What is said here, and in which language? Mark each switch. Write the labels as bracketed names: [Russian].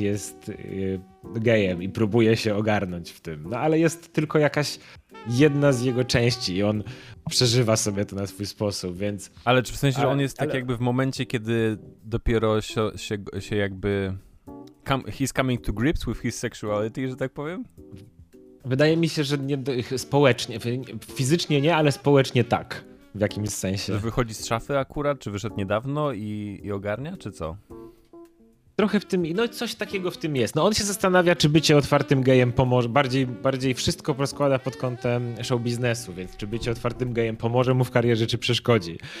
[Polish] Ten brat jest gejem i próbuje się ogarnąć w tym. No ale jest tylko jakaś jedna z jego części i on przeżywa sobie to na swój sposób, więc... Ale czy w sensie, że on jest jakby w momencie, kiedy dopiero się jakby... [English] he's coming to grips with his sexuality, [Polish] że tak powiem? Wydaje mi się, że nie społecznie, fizycznie nie, ale społecznie tak, w jakimś sensie. Że wychodzi z szafy akurat, czy wyszedł niedawno i ogarnia, czy co? Trochę w tym, no coś takiego w tym jest. No on się zastanawia, czy bycie otwartym gejem pomoże, bardziej wszystko rozkłada pod kątem show biznesu, więc czy bycie otwartym gejem pomoże mu w karierze, czy przeszkodzi.